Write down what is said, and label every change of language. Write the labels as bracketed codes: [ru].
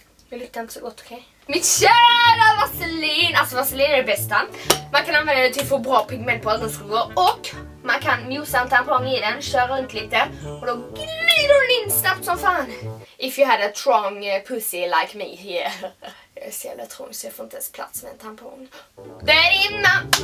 [sv] Det luktar inte så gott, okej? Okay? Mitt kära vaselin! Alltså vaselin är det bästa. Man kan använda det till att få bra pigment på ögonskuggor. Och man kan mjosa en tampong i den, köra runt lite. Och då glider den in snabbt som fan. [en] If you had a strong pussy like me here. [sv] Jag är så jävla trång så jag får inte ens plats med en tampong. Där inna!